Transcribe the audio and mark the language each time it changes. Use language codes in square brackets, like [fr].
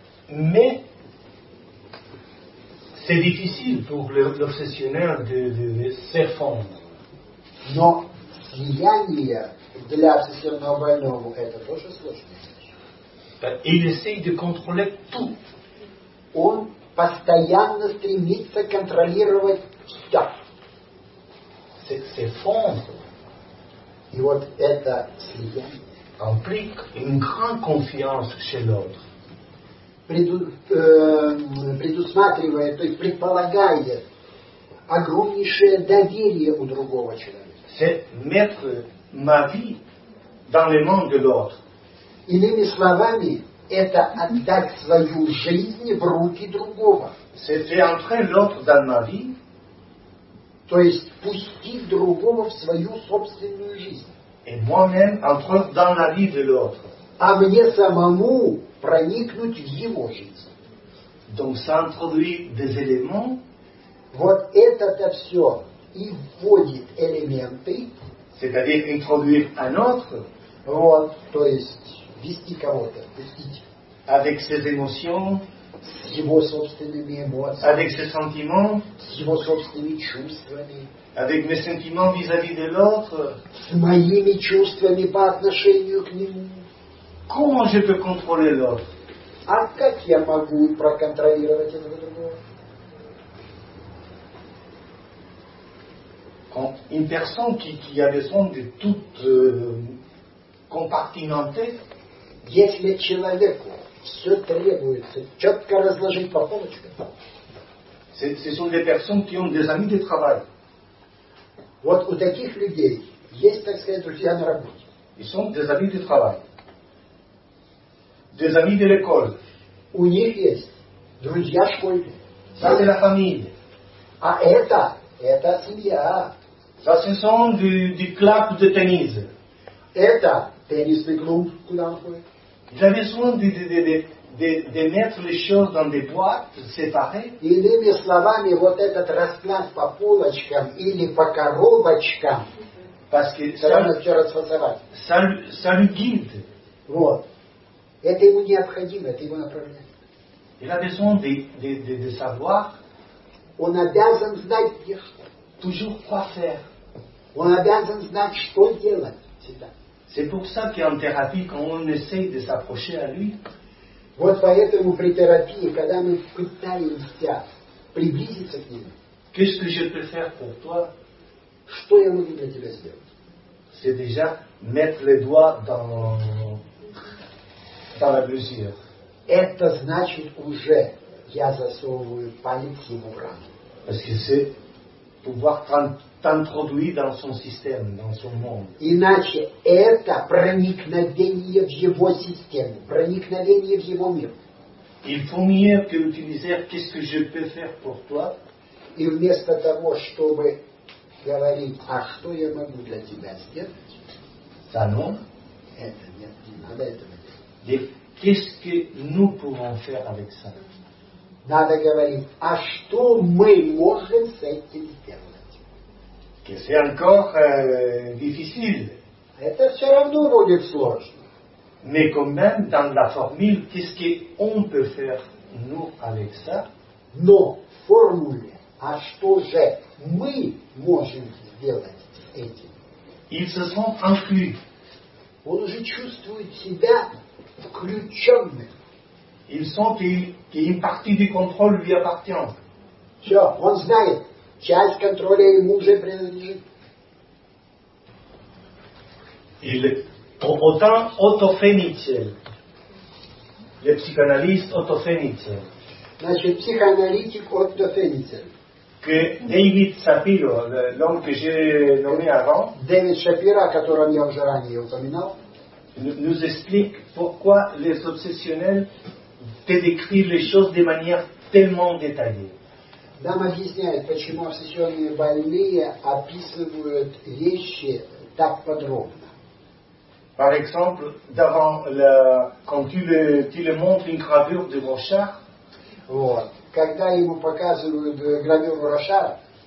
[fr] Mais c'est difficile pour l'obsessionnel de s'effondrer. Non, [ru] слияние для обсессионного больного это тоже сложно. [fr] Il essaye de contrôler tout. [ru] Он постоянно стремится контролировать все. [fr] C'est s'effondrer. [ru] И вот это слияние [fr] implique une grande confiance chez l'autre. [ru] Предусматривает, то есть предполагает огромнейшее доверие у другого человека. [fr] C'est mettre ma vie dans les mains de l'autre. [ru] Иными словами, это отдать свою жизнь в руки другого. [fr] C'est faire entrer l'autre dans ma vie. [ru] То есть пустить другого в свою собственную жизнь. [fr] Et moi-même entrer dans la vie de l'autre. [ru] А мне самому проникнуть в его жизнь. [fr] Donc ça introduit des éléments. [ru] Вот это-то все и вводит элементы. [fr] C'est-à-dire introduire un autre. [ru] Вот, то есть вести кого-то, пустить. [fr] Avec ses émotions. [ru] С его собственными эмоциями. [fr] Avec ses sentiments. [ru] С его собственными чувствами. [fr] Avec mes sentiments vis-à-vis de l'autre. [ru] С моими чувствами по отношению к нему. [fr] Comment je peux contrôler l'autre? [ru] А как я могу проконтролировать этого другого? [fr] Une personne qui a besoin de tout compartimenter. [ru] Если человеку все требуется четко разложить по полочкам. [fr] Ce sont des personnes qui ont des amis de travail. [ru] Вот у таких людей есть, так сказать, друзья на работе. [fr] Ils sont des amis de travail. Des amis de l'école. [ru] У них есть друзья школьные. [fr] Ça, c'est la famille. [ru] А это семья. [fr] Ça, ce sont du club de tennis. [ru] Это теннисный клуб, куда он ходит. [fr] Il a besoin de mettre les choses dans des boîtes séparées. [ru] Иными словами, вот этот расклад по полочкам или по коробочкам. [fr] Parce que ça lui guide. [ru] Вот. Это ему необходимо, это его направление. Il a besoin de savoir. Он обязан знать, где что. Toujours quoi faire. Он обязан знать, что делать. Всегда. [fr] C'est pour ça qu'en thérapie, quand on essaye de s'approcher à lui, [ru] вот поэтому при терапии, когда мы пытаемся приблизиться к нему, [fr] qu'est-ce que je peux faire pour toi? [ru] Что я могу для тебя сделать? [fr] C'est déjà mettre les doigts dans la blessure. [ru] Это значит уже я засовываю палец ему в рану. [fr] Parce que c'est pouvoir t'introduire dans son système, dans son monde. [ru] Иначе это проникновение в его систему, проникновение в его мир. [fr] Il faut mieux que utiliser qu'est-ce que je peux faire pour toi. [ru] И вместо того, чтобы говорит, а что я могу для тебя сделать? Санон? Это нет, не надо этого делать. Надо говорить, а что мы можем с этим сделать? [fr] Que c'est encore difficile. [ru] Это все равно будет сложно. [fr] Mais quand même, dans la formule, qu'est-ce qu'on peut faire, nous, avec ça? [ru] Но в формуле, а что же мы можем сделать с этим? [fr] Ils se sont inclus. [ru] Он уже чувствует себя включенным. [fr] Ils sont une partie du contrôle lui appartient. [ru] Все, он знает, часть контроля ему уже принадлежит. [fr] Il autant Otto Fenichel, le psychanalyste Otto Fenichel. [ru] Значит, психоаналитик Отто Фенихель. [fr] Que David Shapiro, l'homme que j'ai nommé avant. [ru] Дэвид Шапиро, о котором я уже ранее упоминал. [fr] Nous explique pourquoi les obsessionnels te décrivent les choses de manière tellement détaillée. [ru] Нам объясняет, почему обсессионные больные описывают вещи так подробно. [fr] Par exemple, d'avant la, quand tu le montres une gravure de Rochard. [ru] Вот. Когда ему показывают гравюру Рошара,